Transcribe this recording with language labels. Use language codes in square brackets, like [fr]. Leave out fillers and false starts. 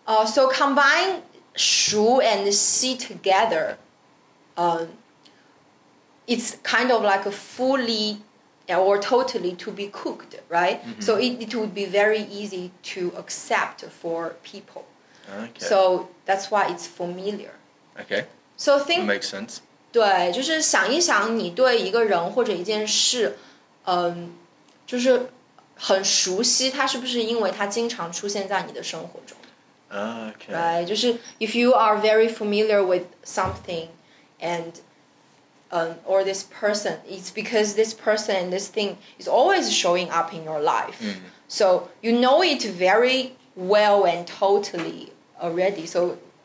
[en] So combine 熟 and xi together, it's kind of like a fully or totally to be cooked, right? Mm-hmm. So it would be very easy to accept for people. Okay. So that's why it's familiar. Okay. So think. Makes sense. [zh] 对，就是想一想你对一个人或者一件事，就是很熟悉，它是不是因为它经常出现在你的生活中 [en] ？Okay. Right. [zh] 就是 [en] if you are very familiar with something, and or this person, it's because this person and this thing is always showing up in your life. Mm-hmm. So you know it very well and totally already. So.